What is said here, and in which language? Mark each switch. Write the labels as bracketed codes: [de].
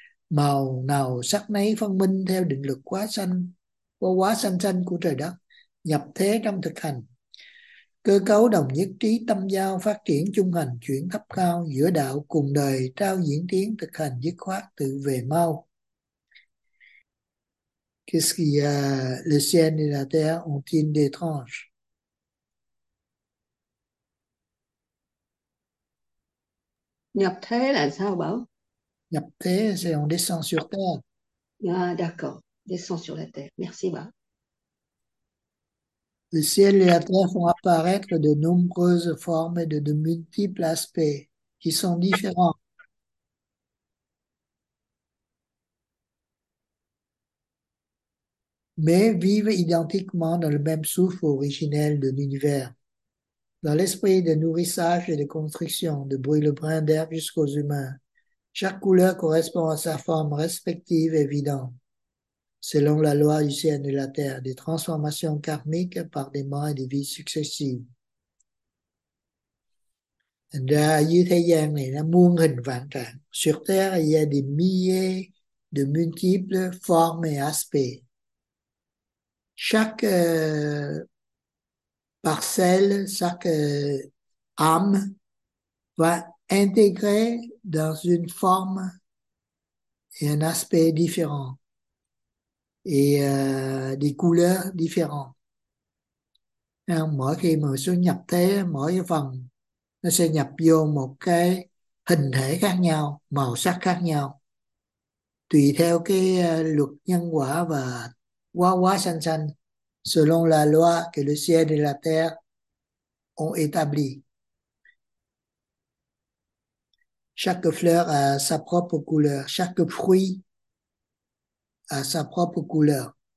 [vi] Màu nào sắc nấy phân minh theo định luật hóa xanh xanh của trời đất nhập thế trong thực hành. Cơ cấu đồng nhất trí tâm giao phát triển trung hành chuyển thấp cao giữa đạo cùng đời trao diễn tiến thực hành dứt khoát tự về mau. [fr] Qu'est-ce qu'il y a? Le ciel et la terre ont-ils des tranches? [vi] Nhập thế là sao bảo? [fr] Nhập thế, c'est on descend sur terre. Ah, d'accord, descend sur la terre. Merci bảo. Le ciel et la terre font apparaître de nombreuses formes et de multiples aspects qui sont différents. Mais vivent identiquement dans le même souffle originel de l'univers. Dans l'esprit de nourrissage et de construction, de brûle-brun d'herbe jusqu'aux humains, chaque couleur correspond à sa forme respective évidente, selon la loi du ciel et de la terre, des transformations karmiques par des morts et des vies successives. Dans ce monde, il y a [vi] muôn hình vạn trạng. [fr] Sur Terre, il y a des milliers de multiples formes et aspects. Chaque parcelle, chaque âme va intégrer dans une forme et un aspect différent et des couleurs différentes. [vi] Mỗi khi mà xuống nhập thế, mỗi phần nó sẽ nhập vô một cái hình thể khác nhau, màu sắc khác nhau, tùy theo cái luật nhân quả và hóa sanh sanh. [fr] Selon la loi que le ciel et la terre ont établie. Chaque fleur a sa propre couleur, chaque fruit a sa propre couleur.